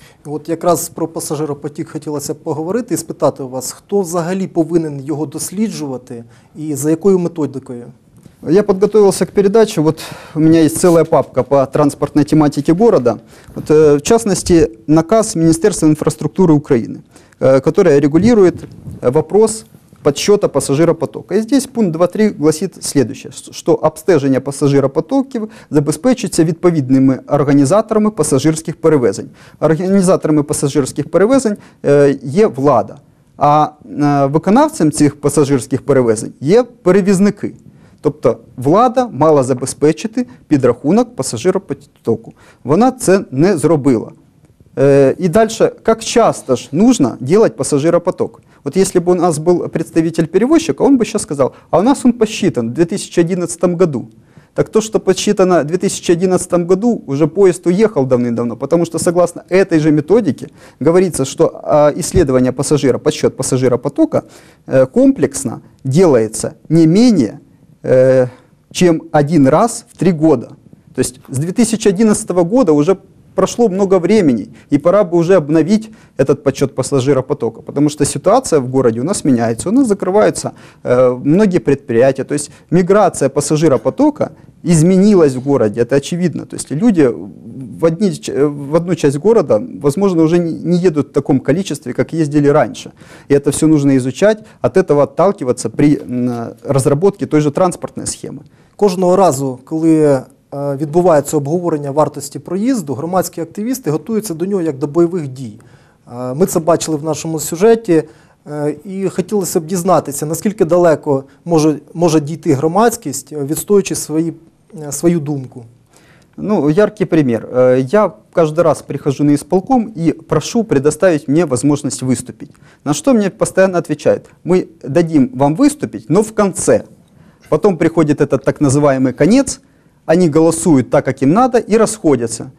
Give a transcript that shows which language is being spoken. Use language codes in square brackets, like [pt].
[ru] Вот как раз про пассажиропотік хотелось поговорить и спросить у вас, кто [uk] взагалі [ru] повинен его исследовать и за какой методикой? Я подготовился к передаче, вот у меня есть целая папка по транспортной тематике города. Вот, в частности, наказ Министерства инфраструктуры Украины, которая регулирует вопрос подсчета пассажиропотока. И здесь пункт 2.3 гласит следующее, что [uk] обстеження пассажиропотоків забезпечиться відповідними організаторами пасажирських перевезень. Організаторами пасажирських перевезень є влада, а виконавцем цих пасажирських перевезень є перевізники. Тобто влада мала забезпечити підрахунок пасажиропотоку. Вона це не зробила. [ru] И дальше, как часто же нужно делать пассажиропоток? Вот если бы у нас был представитель перевозчика, он бы сейчас сказал, а у нас он посчитан в 2011 году. Так то, что посчитано в 2011 году, уже поезд уехал давным-давно, потому что согласно этой же методике говорится, что исследование пассажира, подсчет пассажиропотока комплексно делается не менее, чем один раз в 3 года. То есть с 2011 года уже прошло много времени, и пора бы уже обновить этот подсчет пассажиропотока, потому что ситуация в городе у нас меняется, у нас закрываются многие предприятия, то есть миграция пассажиропотока изменилась в городе, это очевидно. То есть люди в одну часть города, возможно, уже не едут в таком количестве, как ездили раньше. И это все нужно изучать, от этого отталкиваться при разработке той же транспортной схемы. [uk] Кожного разу, коли відбувається обговорення вартості проїзду, громадські активісти готуються до нього як до бойових дій. Ми це бачили в нашому сюжеті, і хотілося б дізнатися, наскільки далеко може дійти громадськість, відстоюючи свою думку. [ru] Ну, яркий пример. Я каждый раз прихожу на исполком и прошу предоставить мне возможность выступить. На что мне постоянно отвечают: мы дадим вам выступить, но в конце. Потом приходит этот так называемый конец, они голосуют так, как им надо, и расходятся.